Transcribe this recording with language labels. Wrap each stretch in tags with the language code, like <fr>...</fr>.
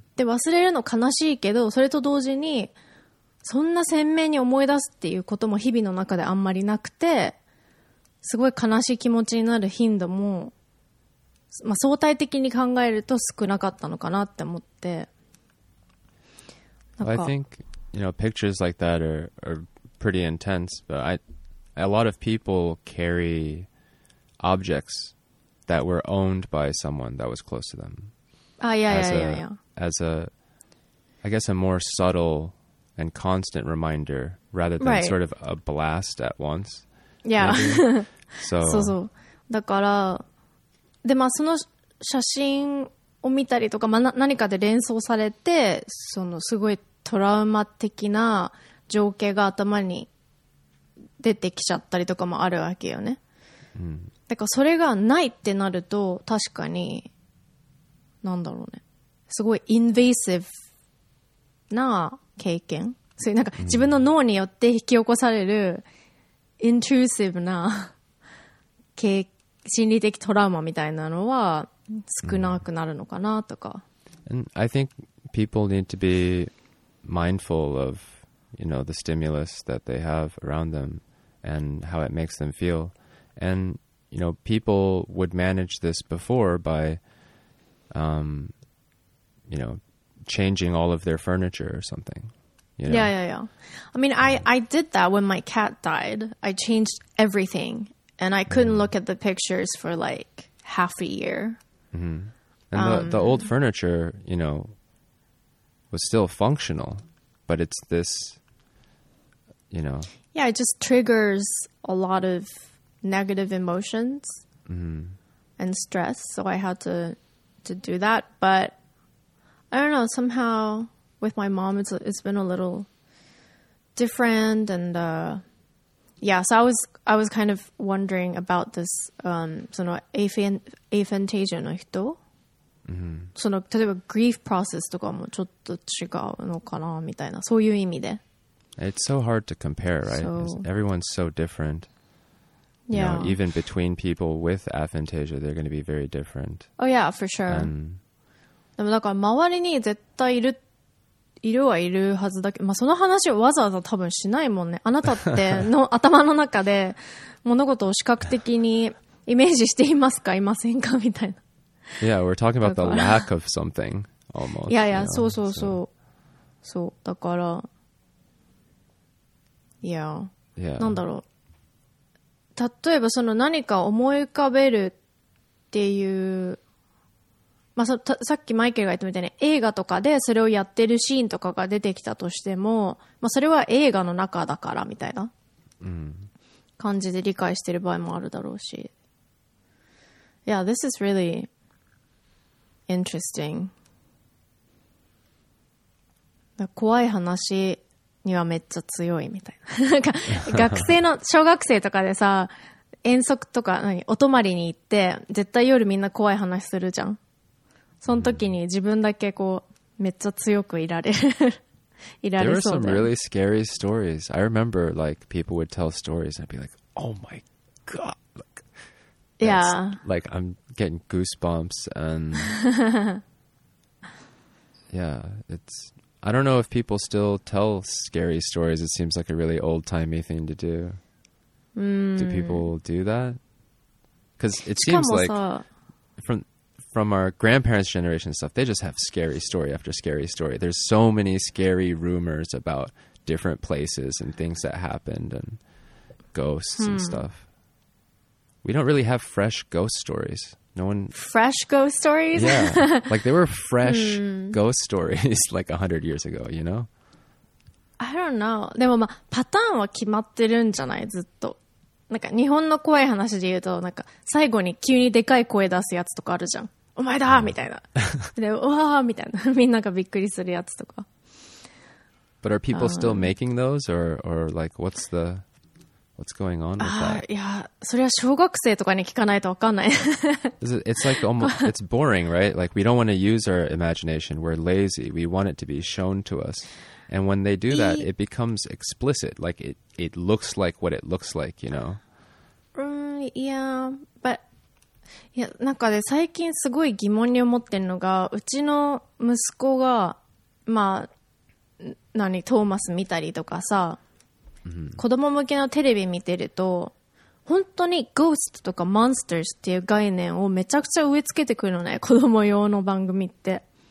<ja>で忘れるの悲しいけど、それと同時にそんな鮮明に思い出すっていうことも日々の中であんまりなくて、すごい悲しい気持ちになる頻度も、まあ、相対的に考えると少なかったのかなって思って。なんか</ja> <en>I think, you know, pictures like that are pretty intense, but a lot of people carry objects that were owned by someone that was close to them. As a I guess a more subtleAnd constant reminder rather than、right. sort of a blast at once. Yeah. So,</en> <ja>そうそう。だから、で、まあ、その写真を見たりとか、まあ、何かで連想されて、そのすごいトラウマ的な情景が頭に出てきちゃったりとかもあるわけよね。だからそれがないってなると確かに、なんだろうね、すごいインベーシブな経験、そういうなんか自分の脳によって引き起こされるイントゥーシブな心理的トラウマみたいなのは少なくなるのかなとか。</ja> <en>And I think people need to be mindful of, you know, the stimulus that they have around them and how it makes them feel. And, you know, people would manage this before by, you know, changing all of their furniture or something. You know? Yeah, yeah, yeah. I mean, I did that when my cat died. I changed everything and I couldn't look at the pictures for like half a year. Mm-hmm. And the old furniture, you know, was still functional, but it's this, you know. Yeah, it just triggers a lot of negative emotions and stress. So I had to do that. But I don't know, somehow with my mom, it's been a little different. And yeah, so I was kind of wondering about this,</en> <ja>その</ja> <en>aphantasia</en> <ja>の人。 Mm-hmm. その例えばグリーフプロセスとかもちょっと違うのかなみたいな、そういう意味で。</ja> <en>It's so hard to compare, right? So, everyone's so different. Yeah. You know, even between people with aphantasia, they're going to be very different. Oh yeah, for sure.</en> <ja>でもだから周りに絶対いるはいるはずだけど、まあ、その話をわざわざ多分しないもんね。あなたっての頭の中で物事を視覚的にイメージしていますかいませんかみたいな。</ja> <en>Yeah, we're talking about the lack of something, almost. Yeah, yeah, you know?</en> <ja>そう。だから、 yeah. なんだろう。例えば、その何か思い浮かべるっていう、まあ、さっきマイケルが言ったみたいに、映画とかでそれをやってるシーンとかが出てきたとしても、まあ、それは映画の中だからみたいな感じで理解してる場合もあるだろうし。</ja> <en>Yeah, this is really... Interesting.</en> <ja>怖い話にはめっちゃ強いみたいな。学生の小学生とかでさ、遠足とか何お泊まりに行って、絶対夜みんな怖い話するじゃん。その時に自分だけこうめっちゃ強くいられる。いられそうで。</ja> <en>There are some really scary stories. I remember like people would tell stories and I'd be like, oh my god. Yeah. Like, I'm getting goosebumps and... yeah, it's... I don't know if people still tell scary stories. It seems like a really old-timey thing to do. Do people do that? Because it seems like... From our grandparents' generation and stuff, they just have scary story after scary story. There's so many scary rumors about different places and things that happened and ghosts and stuff. We don't really have fresh ghost stories. No one... Fresh ghost stories? Yeah. Like, there were fresh ghost stories like 100 years ago, you know? I don't know.</en> <ja>でもまあ、パターンは決まってるんじゃない?ずっと。なんか、日本の怖い話で言うと、なんか、最後に急にでかい声出すやつとかあるじゃん。お前だみたいな。で、うわーみたいな。みんながびっくりするやつとか。</ja> <en>But are people still making those? Or like, what's the... What's going on with that?</en> <ja>いや、それは小学生とかに聞かないと分かんない。</ja> <en>It's like almost, it's boring, right? Like, we don't want to use our imagination. We're lazy. We want it to be shown to us. And when they do that, it becomes explicit. Like, it looks like what it looks like, you know? But,</en> <ja>いや、なんかで最近すごい疑問に思ってるのが、うちの息子が、まあ、何、トーマス見たりとかさ、子供向けのテレビ見てると本当にゴーストとかモンスターズっていう概念をめちゃくちゃ植え付けてくるのね、子供用の番組って、</ja>